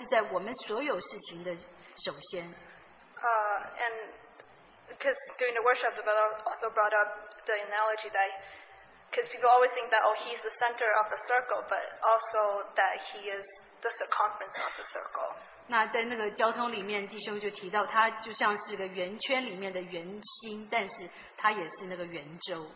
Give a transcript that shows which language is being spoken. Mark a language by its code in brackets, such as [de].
[zh] 那也就是说，我就被提醒到另外一个弟兄，他所交通的。他说，他不但是应该在万有之先，而且他应该是在我们所有事情的首先。 [en] And because during the worship, the brother also brought up the analogy that. Because people always think that, oh, he's the center of the circle, but also that he is the circumference of the circle. [zh] 那在那个交通里面，弟兄就提到，他就像是个圆圈里面的圆心，但是他也是那个圆周。